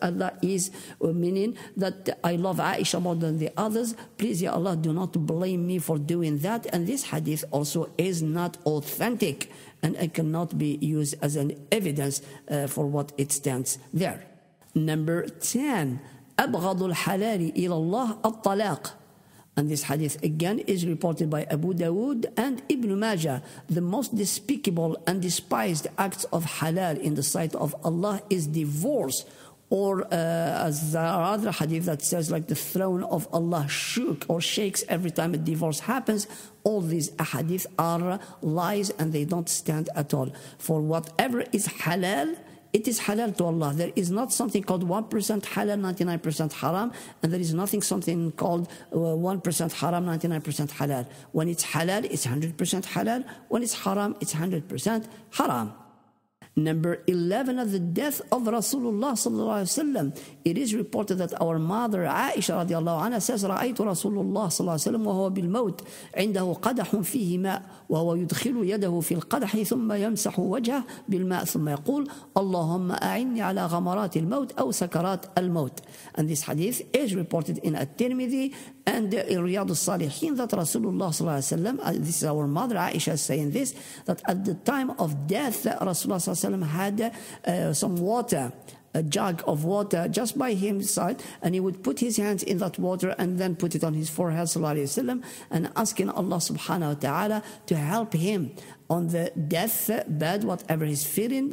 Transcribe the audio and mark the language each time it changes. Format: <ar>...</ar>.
<en>And that is meaning that I love Aisha more than the others. Please, Ya Allah, do not blame me for doing that. And this hadith also is not authentic and it cannot be used as an evidence for what it stands there. Number 10.</en> <ar>أبغض الحلال إلى الله الطلاق.</ar> <en>And this hadith again is reported by Abu Dawood and Ibn Majah. The most despicable and despised acts of halal in the sight of Allah is divorce. Or as the other hadith that says, like the throne of Allah shook or shakes every time a divorce happens, all these hadith are lies and they don't stand at all. For whatever is halal, it is halal to Allah. There is not something called 1% halal, 99% haram, and there is nothing something called 1% haram, 99% halal. When it's halal, it's 100% halal. When it's haram, it's 100% haram. Number 11, at the death of Rasulullah sallallahu alaihi wasallam, it is reported that our mother Aisha radiallahu anha says,</en> <ar>رأيت رسول الله صلى الله عليه وسلم وهو بالموت عنده قدح فيه ماء وهو يدخل يده في القدح ثم يمسح وجهه بالماء ثم يقول اللهم أعني على غمرات الموت أو سكرات الموت.</ar> <en>And this hadith is reported in At-Tirmidhi and in Riyad al-Salihin that Rasulullah</en> <ar>صلى الله عليه وسلم,</ar> <en>this is our mother Aisha saying this, that at the time of death Rasulullah صلى الله عليه وسلم had some water, a jug of water just by his side, and he would put his hands in that water and then put it on his forehead, sallallahu alayhi wa sallam, and asking Allah subhanahu wa ta'ala to help him on the death bed, whatever he's feeling.</en>